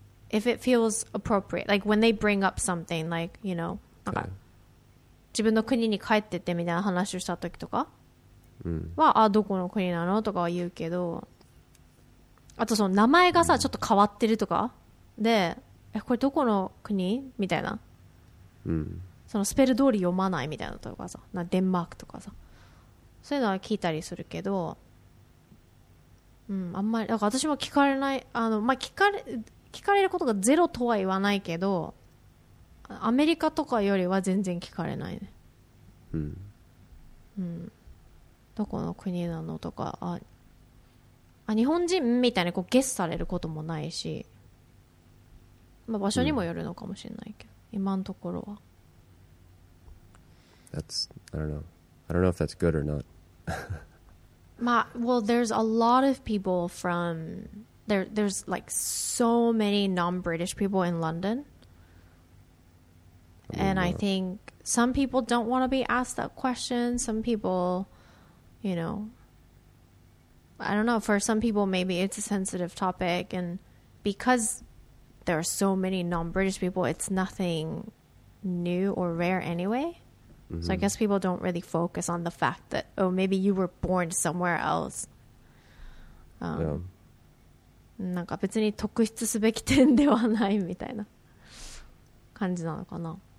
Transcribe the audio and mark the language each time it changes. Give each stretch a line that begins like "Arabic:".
English: If it feels appropriate, like when they bring up something, like, you know, okay.
Japanese: 自分の国に帰っててみたいな話をした時とか、うん、は、あ、どこの国なのとかは言うけど、あとその名前がさ、ちょっと変わってるとか、で、え、これどこの国みたいな、うん、そのスペル通り読まないみたいなとかさ、なんかデンマークとかさ、そういうのは聞いたりするけど、うん、あんまり、だから私も聞かれない、あの、まあ、聞かれ、聞かれることがゼロとは言わないけど、アメリカとかよりは全然聞かれないね。うん。うん。どこの国なのとか、あ、日本人みたいにこうゲスされることもないし、まあ、場所にもよるのかもしれないけど、今のところは。
English: That's, I don't know. I don't know if that's good or not.
Japanese: まあ、
English: well, there's a lot of people from... There's like so many non-British people in London. And I think some people don't want to be asked that question. Some people, you know, I don't know. For some people, maybe it's a sensitive topic. And because there are so many non-British people, it's nothing new or rare anyway. Mm-hmm. So I guess people don't really focus on the fact that, oh, maybe you were born somewhere else.
Japanese: なんか別に特筆すべき点ではないみたいな感じなのかな。